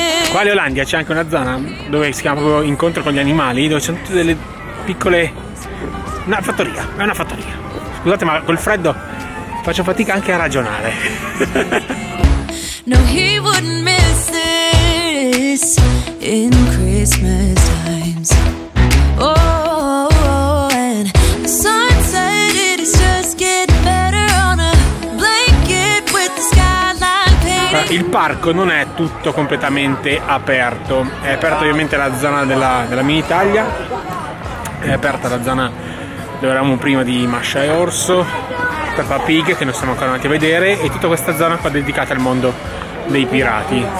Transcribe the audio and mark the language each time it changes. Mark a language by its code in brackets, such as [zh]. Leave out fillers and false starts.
[it] Qua a Leolandia c'è anche una zona dove si chiama proprio incontro con gli animali, dove c'è tutte delle piccole, una fattoria, è una fattoria. Scusate, ma col freddo faccio fatica anche a ragionare. [en] No, he wouldn't miss this in Christmas times. Oh, and the sunset, it is just getting better on a blanket with the skyline painted. [it] Il parco non è tutto completamente aperto. È aperta ovviamente la zona della Minitalia. È aperta la zona dove eravamo prima di Masce Orso, Peppa Pig, che non stiamo ancora andati a vedere, e tutta questa zona qua dedicata al mondo dei pirati.